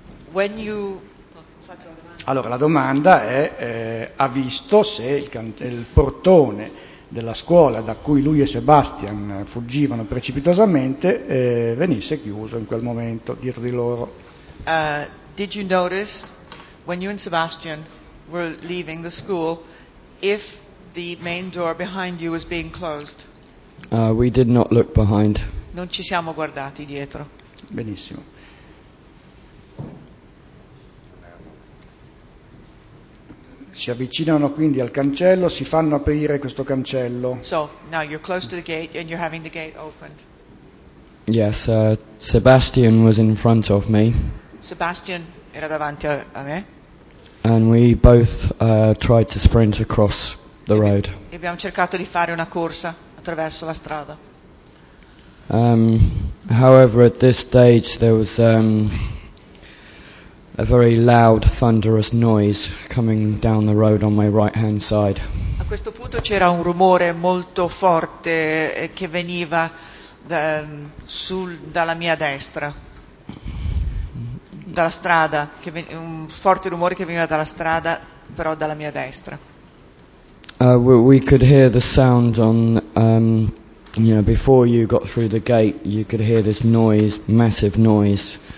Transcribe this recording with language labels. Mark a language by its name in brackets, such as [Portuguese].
[English] When you... [Italian] Allora, la domanda è, ha visto se il portone della scuola da cui lui e Sebastian fuggivano precipitosamente venisse chiuso in quel momento dietro di loro? [English] Did you notice, when you and Sebastian were leaving the school, if the main door behind you was being closed? We did not look behind. [Italian] Non ci siamo guardati dietro. Benissimo. Si avvicinano quindi al cancello, si fanno aprire questo cancello. [English] So, now you're close to the gate and you're having the gate opened. Yes, Sebastian was in front of me. [Italian] Sebastian era davanti a me. [English] And we both tried to sprint across the road. [Italian] E abbiamo cercato di fare una corsa attraverso la strada. [English] However, at this stage there was a very loud thunderous noise coming down the road on my right hand side. [Italian] A questo punto c'era un rumore molto forte che veniva dalla mia destra. Dalla strada, un forte rumore che veniva dalla strada, però dalla mia destra. [English] We could hear the sound on before you got through the gate, you could hear this noise, massive noise.